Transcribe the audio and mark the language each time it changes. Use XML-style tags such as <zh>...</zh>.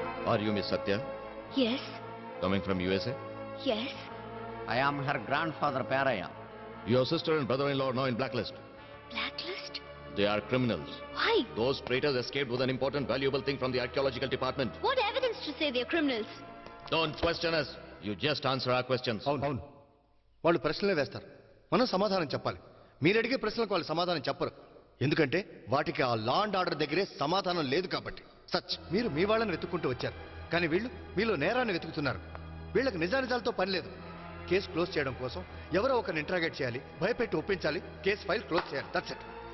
<en>Are you miss Satya? Yes. Coming from USA? Yes. I am her grandfather Perayya. Your sister and brother in law now in blacklist. Blacklist? They are criminals. Why? Those traitors escaped with an important valuable thing from the archaeological department. What evidence to say they are criminals? Don't question us. You just answer our questions.</en> <te>అవును. వాళ్ళు ప్రశ్నలే వేస్తారు. మనం సమాధానం చెప్పాలి. మీరు అడిగే ప్రశ్నలకు వాళ్ళు సమాధానం చెప్పరు. ఎందుకంటే వాటికి ఆ లాండ్ ఆర్డర్ దగ్గరే సమాధానం లేదు కాబట్టి. సచ్ మీరు మీ వాళ్ళని వెతుక్కుంటూ వచ్చారు. కానీ వీళ్ళు మీలో నేరాన్ని వెతుకుతున్నారు. వీళ్ళకి నిజానిజాలతో పని లేదు. కేసు క్లోజ్ చేయడం కోసం ఎవరో ఒకరిని ఇంట్రాగేట్ చేయాలి, భయపెట్టి ఒప్పించాలి, కేసు ఫైల్ క్లోజ్ చేయాలి.</te> <en>That's it.</en>